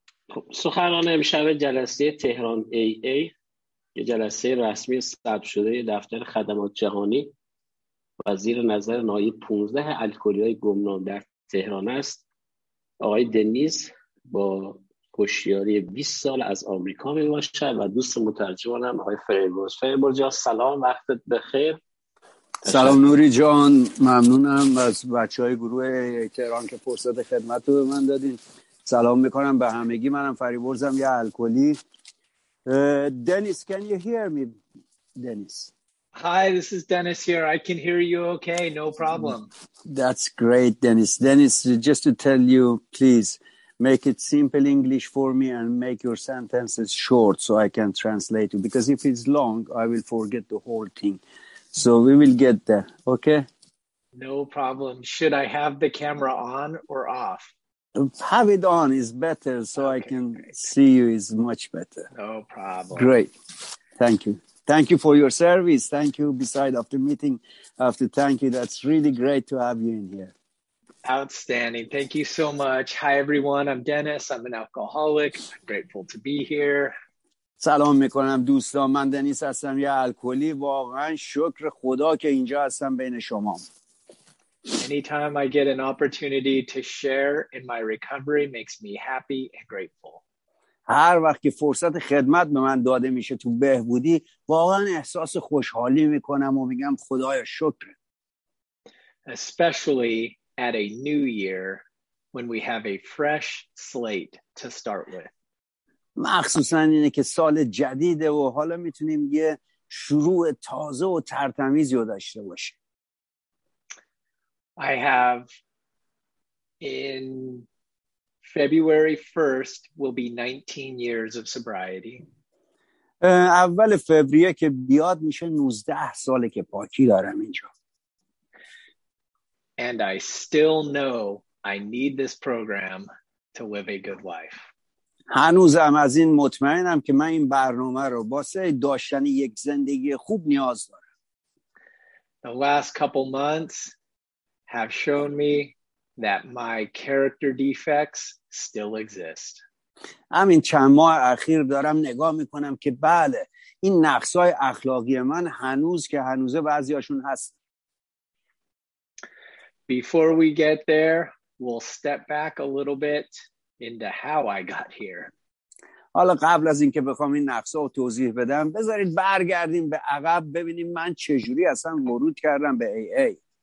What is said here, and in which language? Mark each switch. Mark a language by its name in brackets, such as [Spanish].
[Persian] خب، سخنران امشب جلسه تهران AA که جلسه رسمی ثبت شده دفتر خدمات جهانی و زیر نظر ناحیه 15 الکلی های گمنام در تهران است، آقای دنیز با هوشیاری 20 سال از آمریکا می باشد و دوست مترجمانم آقای فریبرز. فریبرز جان سلام، وقتت بخیر. سلام نوری جان، ممنونم از بچه های گروه تهران که فرصت خدمت رو به من دادین. سلام میکنم به همگی. منم فریبرزم، یه الکلی. [English] Dennis, can you hear me Dennis? Hi, this is Dennis here. I can hear you okay, no problem. That's great, Dennis. Dennis, just to tell you, please make it simple English for me and make your sentences short so I can translate you. Because if it's long, I will forget the whole thing. So we will get there, okay? No problem. Should I have the camera on or off? Have it on is better so okay, I can great. See you is much better. No problem. Great. Thank you. Thank you for your service. Thank you. Beside of the meeting, I have to thank you. That's really great to have you in here. Outstanding. Thank you so much. Hi, everyone. I'm Dennis. I'm an alcoholic. I'm grateful to be here. [Persian] سلام میکنم دوستان، من دنیس هستم، یه الکلی. واقعا شکر خدا که اینجا هستم بین شما. [English] Anytime I get an opportunity to share in my recovery makes me happy and grateful. [Persian] هر وقت که فرصت خدمت به من داده میشه تو بهبودی، واقعا احساس خوشحالی میکنم و میگم خدایا شکر. [English] Especially at a new year when we have a fresh slate to start with. [Persian] مخصوصا اینه که سال جدیده و حالا میتونیم یه شروع تازه و ترتمیزی رو داشته باشیم. [English] I have in February 1st will be 19 years of sobriety. [Persian] اول فوریه که بیاد میشه 19 ساله که پاکی دارم اینجا. [English] And I still know I need this program to live a good life. [Persian] هنوزم از این مطمئنم که من این برنامه رو واسه داشتن یک زندگی خوب نیاز دارم. [English] The last couple months have shown me that my character defects still exist. [Persian] همین چند ماه اخیر دارم نگاه میکنم که بله، این نقصهای اخلاقی من هنوز که هنوزه بعضی هاشون هست. [English] Before we get there, we'll step back a little bit into how I got here. [Persian] حالا قبل از اینکه بخوام این نقصا رو توضیح بدم، بذارید برگردیم به عقب ببینیم من چجوری اصلا ورود کردم به AA.